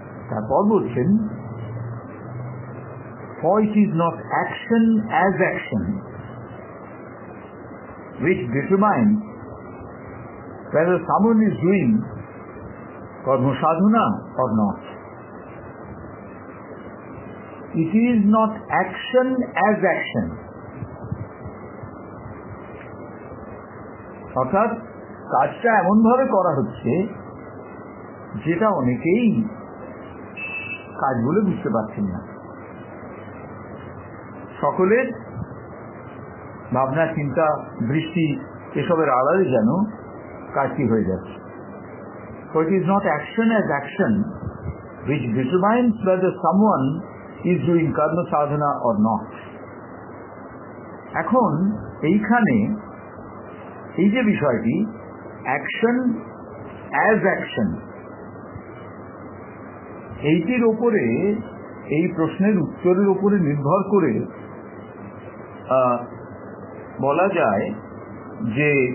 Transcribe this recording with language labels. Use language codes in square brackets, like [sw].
[bn] তারপর বলছেন, [en] Focus is not action as action which determines whether someone is doing karma sadhana or not. It is not action as action. [bn] অর্থাৎ কাজটা এমনভাবে করা হচ্ছে যেটা অনেকেই কাজগুলো বুঝতে পারছেন না। সকলের ভাবনা, চিন্তা, দৃষ্টি এসবের আড়ালে যেন কাজটি হয়ে যাচ্ছে। [en] So it is not action as action which determines whether someone is doing karma sadhana or not. [bn] এখন এইখানে এই যে বিষয়টি [en] action as action, [bn] এইটির ওপরে, এই প্রশ্নের উত্তরের ওপরে নির্ভর করে বলা যায় যে